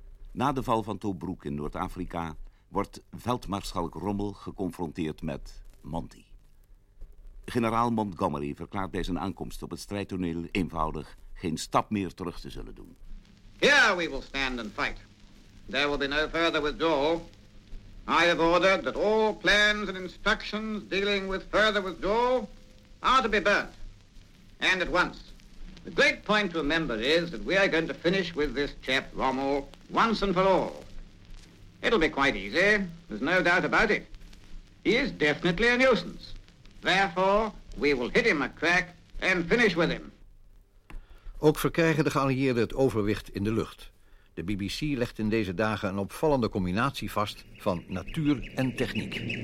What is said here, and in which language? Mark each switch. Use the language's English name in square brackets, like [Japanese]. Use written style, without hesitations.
[Dutch] Na de val van Tobruk in Noord-Afrika wordt veldmaarschalk Rommel geconfronteerd met Monty. Generaal Montgomery verklaart bij zijn aankomst op het strijdtoneel eenvoudig geen stap meer terug te zullen doen. [English] Here we will stand and fight. There will be no further withdrawal. I have ordered that all plans and instructions dealing with further withdrawal are to be burnt, and at once. The great point to remember is that we are going to finish with this chap Rommel once and for all. It'll be quite easy, there's no doubt about it. He is definitely a nuisance. Therefore, we will hit him a crack and finish with him. [Dutch] Ook verkrijgen de geallieerden het overwicht in de lucht. De BBC legt in deze dagen een opvallende combinatie vast van natuur en techniek.